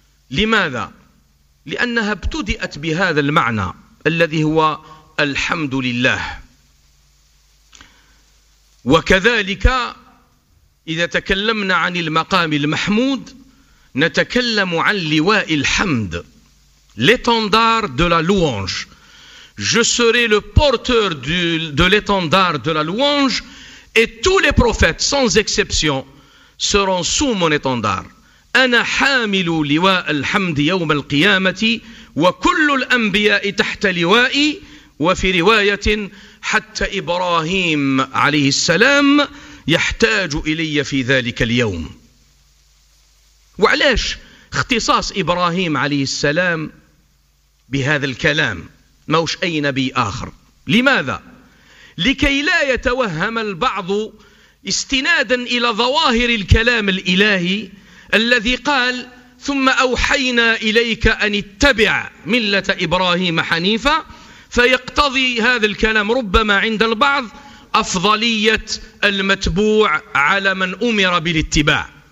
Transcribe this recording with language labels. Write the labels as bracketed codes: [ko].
[ar] لماذا؟ لأنها ابتدأت بهذا المعنى الذي هو الحمد لله. وكذلك إذا تكلمنا عن المقام المحمود نتكلم عن لواء الحمد، [fr] l'étendard de la louange. Je serai le porteur de l'étendard de la louange et tous les prophètes sans exception seront sous mon étendard. [ar] أنا حامل لواء الحمد يوم القيامة وكل الأنبياء تحت لوائي. وفي رواية: حتى إبراهيم عليه السلام يحتاج إلي في ذلك اليوم. وعلاش اختصاص إبراهيم عليه السلام بهذا الكلام موش أي نبي آخر؟ لماذا؟ لكي لا يتوهم البعض استنادا إلى ظواهر الكلام الإلهي الذي قال: ثم أوحينا إليك أن اتبع ملة إبراهيم حنيفة، فيقتضي هذا الكلام ربما عند البعض أفضلية المتبوع على من أمر بالاتباع.